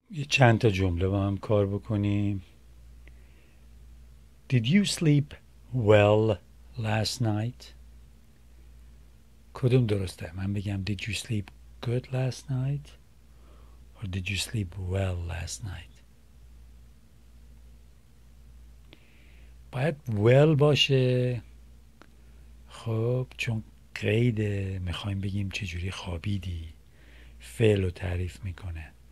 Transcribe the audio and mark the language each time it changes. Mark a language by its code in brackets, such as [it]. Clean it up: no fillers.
[fa] یه چند تا جمله با هم کار بکنیم. [en] Did you sleep well last night? [fa] کدوم درسته؟ من بگم [en] Did you sleep good last night? Or did you sleep well last night? [fa] باید well باشه. خب چون قیده میخوایم بگیم چجوری خوابیدی، فعل رو تعریف میکنه.